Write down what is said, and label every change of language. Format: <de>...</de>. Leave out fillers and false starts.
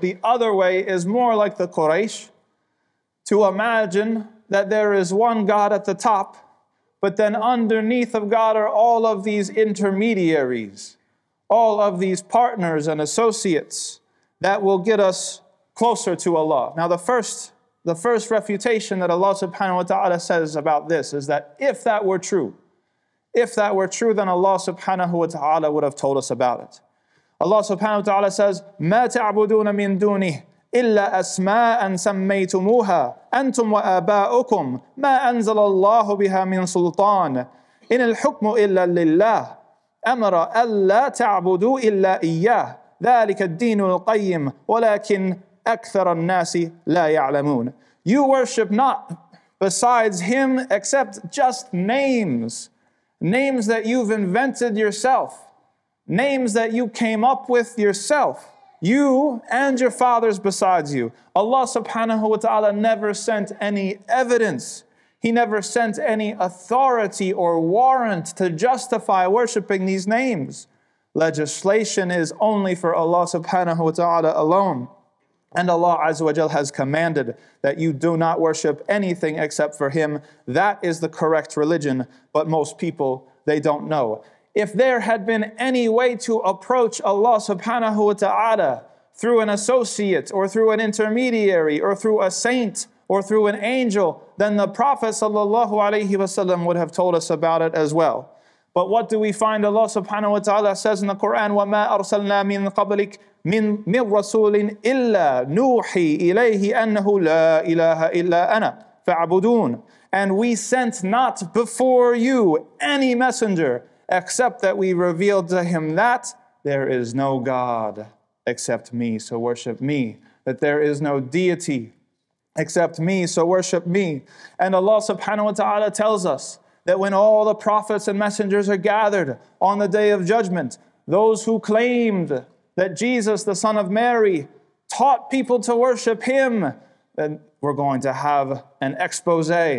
<en>The other way is more like the Quraysh, to imagine that there is one God at the top, but then underneath of God are all of these intermediaries, all of these partners and associates that will get us closer to Allah. Now the first refutation that Allah subhanahu wa ta'ala says about this is that if that were true, then Allah subhanahu wa ta'ala would have told us about it. Allah subhanahu wa ta'ala says,</en> <ar>مَا تَعْبُدُونَ مِن دُونِهِ إلا أسماء سميتموها أنتم وآباؤكم ما أنزل الله بها من سلطان إن الحكم إلا لله أمر ألا تعبدوا إلا إياه ذلك الدين القيم ولكن أكثر الناس لا يعلمون.</ar> <en>You worship not besides him except just names, names that you've invented yourself, names that you came up with yourself. You and your fathers besides you. Allah subhanahu wa ta'ala never sent any evidence. He never sent any authority or warrant to justify worshiping these names. Legislation is only for Allah subhanahu wa ta'ala alone. And Allah azza wa jal has commanded that you do not worship anything except for Him. That is the correct religion, but most people, they don't know. If there had been any way to approach Allah subhanahu wa ta'ala through an associate or through an intermediary or through a saint or through an angel, then the Prophet sallallahu alayhi wa sallam would have told us about it as well. But what do we find Allah subhanahu wa ta'ala says in the Quran,</en> <ar>وَمَا أَرْسَلْنَا مِنْ قَبْلِكَ مِنْ رَسُولٍ إِلَّا نُوحِي إِلَيْهِ أَنَّهُ لَا إِلَهَ إِلَّا أَنَا فَعَبُدُونَ.</ar> <en>And we sent not before you any messenger except that we revealed to him that there is no God except me, so worship me. That there is no deity except me, so worship me. And Allah subhanahu wa ta'ala tells us that when all the prophets and messengers are gathered on the day of judgment, those who claimed that Jesus, the son of Mary, taught people to worship him, then we're going to have an expose.</en>